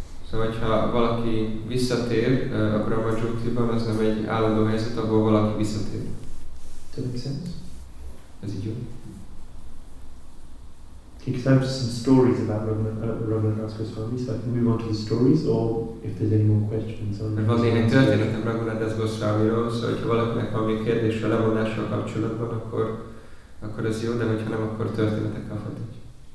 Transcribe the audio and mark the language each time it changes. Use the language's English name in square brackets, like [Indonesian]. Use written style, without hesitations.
[Hungarian] So, hogyha valaki visszatér a Brahmajyotiban, az nem egy állandó helyzet, ahol valaki visszatér. [English] Does that make sense? [Hungarian] Ez így jó. [English] Okay, because I have some stories about Raghunath Das Goswami, so I can move on to the stories, or if there's any more questions on. [Hungarian] Van én egy történetem Raghunath Das Goswamiról, so hogyha valakinek van még kérdés a lemondással kapcsolatban, akkor ez jó, de hogyha nem, akkor történetekkel folytatjuk.